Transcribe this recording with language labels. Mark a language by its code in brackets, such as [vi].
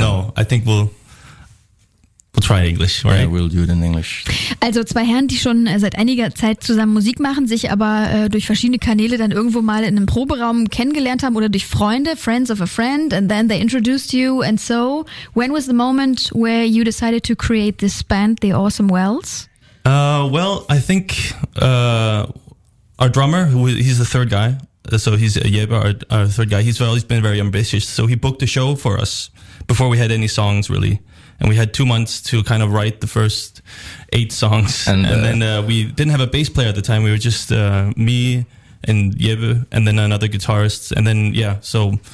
[en] No, I think we'll try English, right? Yeah, we'll do it in English. [de] Also zwei Herren, die schon seit einiger Zeit zusammen Musik machen, sich aber durch verschiedene Kanäle dann irgendwo mal in einem Proberaum kennengelernt haben oder durch Freunde, [en] friends of a friend, and then they introduced you. And so, when was the moment where you decided to create this band, The Awesome Wells? Well, I think our drummer, he's the third guy, so he's Jeba, our third guy, he's always been very ambitious, so he booked a show for us before we had any songs, really, and we had 2 months to kind of write the first 8 songs, and then we didn't have a bass player at the time, we were just me and Jeba, and then another guitarist, and then, yeah, so